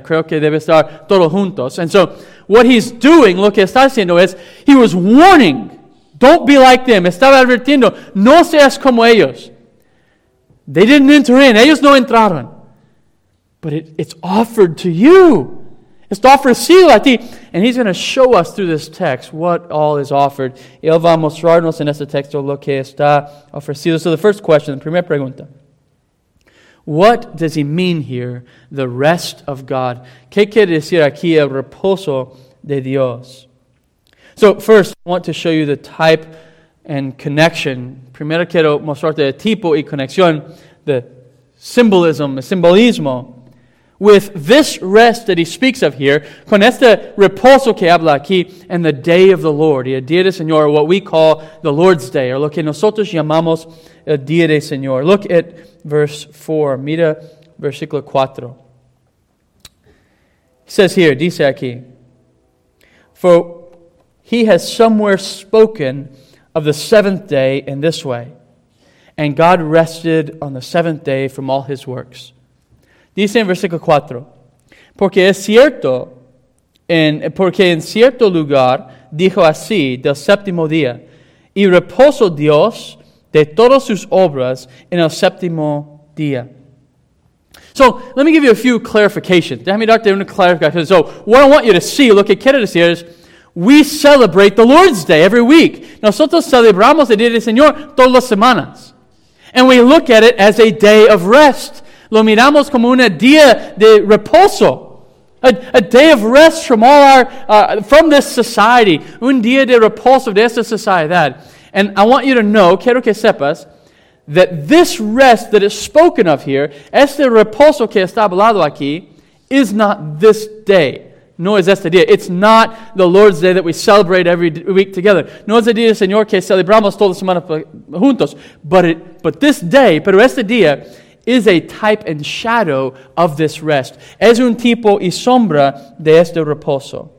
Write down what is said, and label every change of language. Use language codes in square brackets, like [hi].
[es] Creo que debe estar todos juntos. [en] And so, what he's doing, [es] lo que está haciendo es, [en] he was warning. Don't be like them. [es] Estaba advirtiendo. No seas como ellos. [en] They didn't enter in. [es] Ellos no entraron. [en] But it's offered to you. It's offered to you, [es] a ti. [en] And he's going to show us through this text what all is offered. [es] Él va a mostrarnos en este texto lo que está ofrecido. [en] So the first question, the [es] primera pregunta. [en] What does he mean here, the rest of God? [es] ¿Qué quiere decir aquí el reposo de Dios? [en] So first, I want to show you the type and connection. [es] Primero quiero mostrarte el tipo y conexión, [en] the symbolism, [es] the simbolismo, [en] with this rest that he speaks of here, [es] con este reposo que habla aquí, [en] and the day of the Lord, [es] y el día del Señor, [en] what we call the Lord's Day, or [es] lo que nosotros llamamos el día del Señor. [en] Look at verse 4. [es] Mira versículo 4. [en] He says here, [es] dice aquí, [en] for he has somewhere spoken of the seventh day in this way, and God rested on the seventh day from all his works. [es] Dice en versículo 4, porque es cierto, porque en cierto lugar dijo así del séptimo día, y reposó Dios de todas sus obras en el séptimo día. [en] So, let me give you a few clarifications. [es] Déjame darte una clarificación. [en] So, what I want you to see, [es] lo que quiero decir es, [en] we celebrate the Lord's Day every week. [es] Nosotros celebramos el Día del Señor todas las semanas. [en] And we look at it as a day of rest. [es] Lo miramos como un día de reposo. [en] A day of rest from all our, from this society. [es] Un día de reposo de esta sociedad. [en] And I want you to know, [es] quiero que sepas, [en] that this rest that is spoken of here, [es] este reposo que está hablado aquí, [en] is not this day. [es] No es este día. [en] It's not the Lord's Day that we celebrate every week together. [es] No es el día del Señor que celebramos toda la semana juntos. [en] But this day, [es] pero este día, is a type and shadow of this rest. Es un tipo y sombra de este reposo.